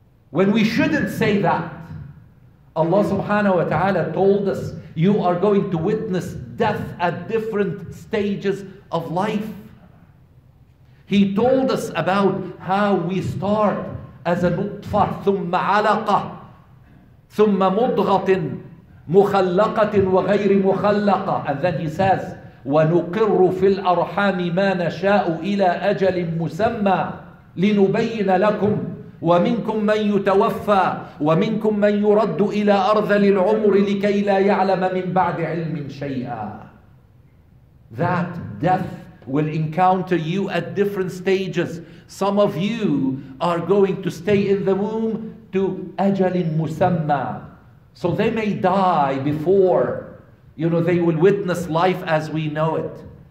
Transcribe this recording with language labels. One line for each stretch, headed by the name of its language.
English: When we shouldn't say that, Allah subhanahu wa ta'ala told us, you are going to witness death at different stages of life. He told us about how we start as a nutfa,
Arabic: thumma alaqa, thumma mudghatin, mukhallaqatin wa ghayri mukhallaqa. And then he says, ونقر في الأرحام ما نشاء إلى أجل مسمى لنبين لكم ومنكم من يتوفى ومنكم من يرد إلى أرذل العمر لكي لا يعلم من بعد علم شيئا.
English: That death will encounter you at different stages. Some of you are going to stay in the womb to
Arabic: أجل مسمى.
English: So they may die before, you know, they will witness life as we know it.